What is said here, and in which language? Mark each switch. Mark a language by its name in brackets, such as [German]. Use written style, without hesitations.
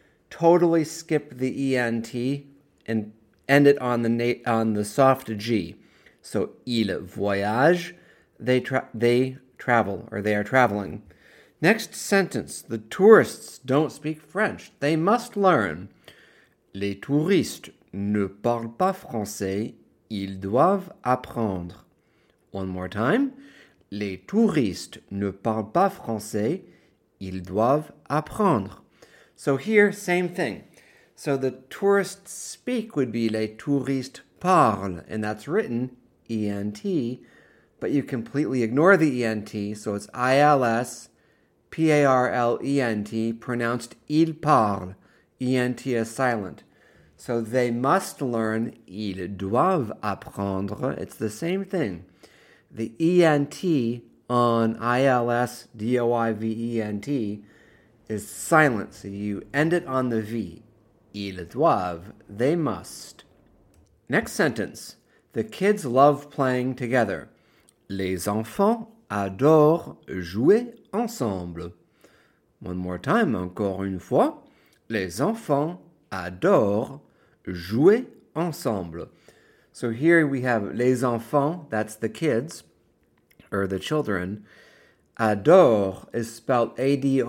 [English] Totally skip the ENT and end it on the soft G. So [French] ils voyagent. [English] They travel, or they are traveling. Next sentence, the tourists don't speak French. They must learn. [French] Les touristes ne parlent pas français. Ils doivent apprendre. [English] One more time. [French] Les touristes ne parlent pas français. Ils doivent apprendre. [English] So here, same thing. So the tourists speak would be [French] les touristes parlent, [English] and that's written ENT. But you completely ignore the ENT, so it's ILS, PARLENT, pronounced [French] il parle. [English] ENT is silent. So they must learn, [French] ils doivent apprendre. [English] It's the same thing. The ENT on ILS, DOIVENT, is silent, so you end it on the V. [French] Ils doivent, [English] they must. Next sentence, the kids love playing together. [French] Les enfants adorent jouer ensemble. [English] One more time, [French] encore une fois. Les enfants adorent jouer ensemble. [English] So here we have [French] les enfants, [English] that's the kids, or the children. Adore is spelled ADORENT.